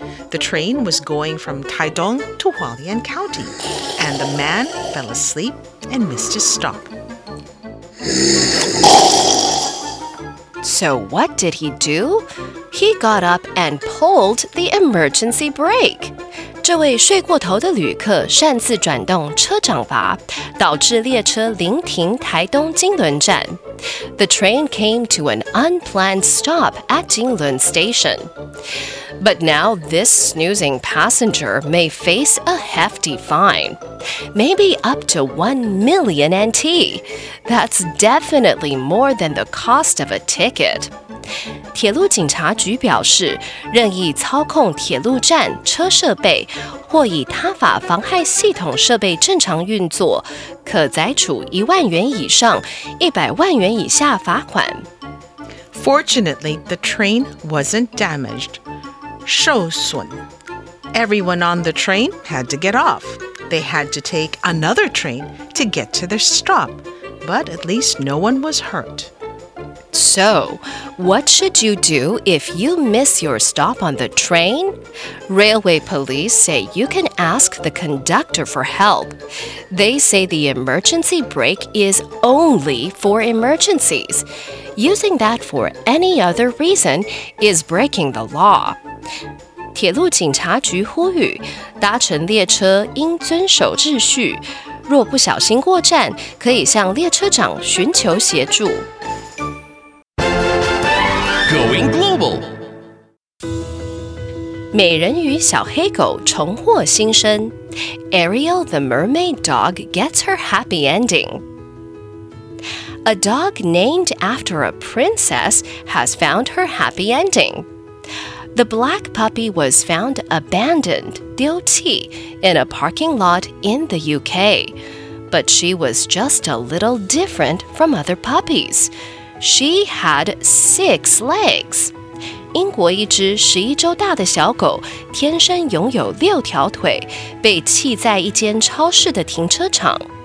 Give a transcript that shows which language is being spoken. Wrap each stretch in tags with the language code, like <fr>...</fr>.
<en>The train was going from Taichung to Hualien County, and the man fell asleep and missed his stop. So what did he do? He got up and pulled the emergency brake.</en> <zh>这位睡过头的旅客擅自转动车掌阀，导致列车临停台东金轮站。</zh> <en>The train came to an unplanned stop at Jinglun Station. But now this snoozing passenger may face a hefty fine. Maybe up to 1 million NT. That's definitely more than the cost of a ticket.</en> <zh>铁路警察局表示，任意操控铁路站车设备或以他法妨害系统设备正常运作，可载处10000元以上100万元以下罚款。</zh> <en>Fortunately, the train wasn't damaged. 受损。 Everyone on the train had to get off. They had to take another train to get to their stop. But at least no one was hurt. So, what should you do if you miss your stop on the train? Railway police say you can ask the conductor for help. They say the emergency brake is only for emergencies. Using that for any other reason is breaking the law.</en> <zh>铁路警察局呼吁，搭乘列车应遵守秩序。若不小心过站，可以向列车长寻求协助。</zh> <en>Going global.</en> <zh>美人鱼小黑狗重获新生。</zh> <en>Ariel the mermaid dog gets her happy ending. A dog named after a princess has found her happy ending. The black puppy was found abandoned, 丢弃, in a parking lot in the UK. But she was just a little different from other puppies. She had 6 legs.</en> <zh>英国一只11周大的小狗天生拥有6条腿，被弃在一间超市的停车场。</zh>